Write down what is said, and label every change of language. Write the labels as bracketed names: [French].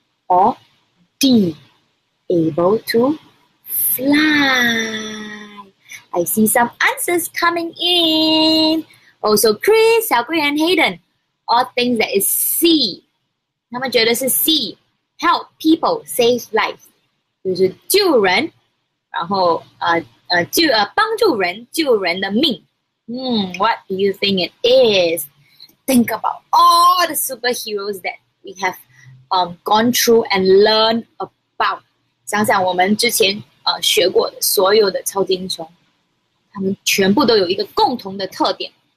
[English] Or D, able to fly. I see some answers coming in. Also, Chris, Xiaogui, and Hayden all think that is C. [Chinese] 他们觉得是 C, [English] help people save lives. [Chinese] 就是救人，然后帮助人，救人的命。 [English] What do you think it is? Think about all the superheroes that we have gone through and learned about. [Chinese] 想想我们之前学过的所有的超级英雄，他们全部都有一个共同的特点。